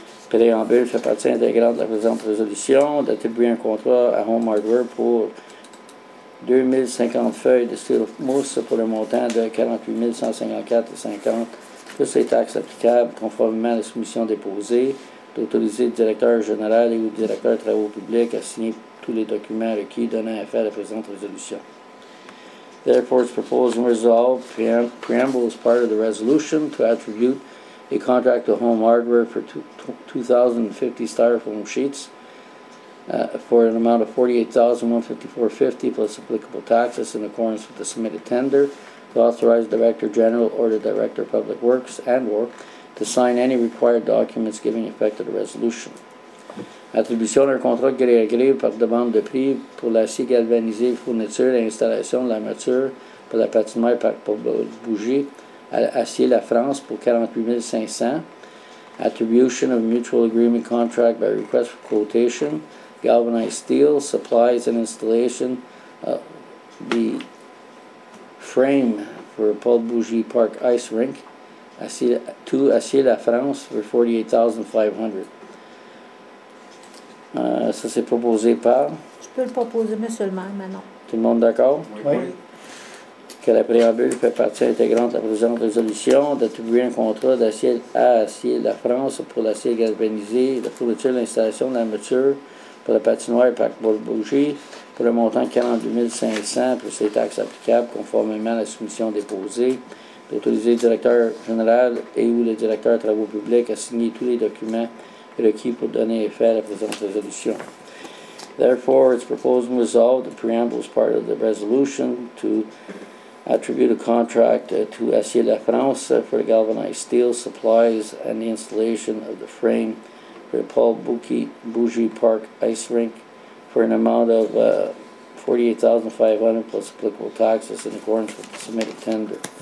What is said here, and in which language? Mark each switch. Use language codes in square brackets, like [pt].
[fr] Préambule fait partie intégrante de la présente résolution d'attribuer un contrat à Home Hardware pour 2050 feuilles de steel mousse pour un montant de $48,154.50. Plus les taxes applicables conformément à la soumission déposée, d'autoriser le directeur général et ou le directeur des travaux publics à signer tous les documents requis donnant effet à la présente résolution. [en] Therefore, it's proposed and resolved, preamble is part of the resolution to attribute a contract to Home Hardware for 2,050 styrofoam sheets for an amount of $48,154.50 plus applicable taxes in accordance with the submitted tender, to authorize Director General or the Director of Public Works and or to sign any required documents giving effect to the resolution. [fr] Attribution d'un contrat gré à gré par demande de prix pour l'acier galvanisé, fourniture et installation de l'armature pour la patinoire par bougie à Acier La France pour 48 500. [en] Attribution of mutual agreement contract by request for quotation. Galvanized steel supplies and installation of the frame for Paul Bougie Park ice rink to Acier La France for $48,500. [fr] Ça, c'est proposé par... Je peux le proposer, monsieur le maire, maintenant. Tout le monde d'accord? Oui. Que la préambule fait partie intégrante de la présente résolution d'attribuer un contrat d'acier à Acier La France pour l'acier galvanisé, la fourniture, l'installation de l'armature pour la patinoire et par Paul Bougie pour un montant de 42 500 plus les taxes applicables conformément à la soumission déposée, d'autoriser le directeur général et ou le directeur de travaux publics à signer tous les documents requis pour donner effet à la présente résolution. [en] Therefore, it's proposed and resolved, the preamble is part of the resolution to attribute a contract to Acier La France for the galvanized steel supplies and the installation of the frame for Paul Bougie Park ice rink for an amount of $48,500 plus applicable taxes in accordance with the submitted tender.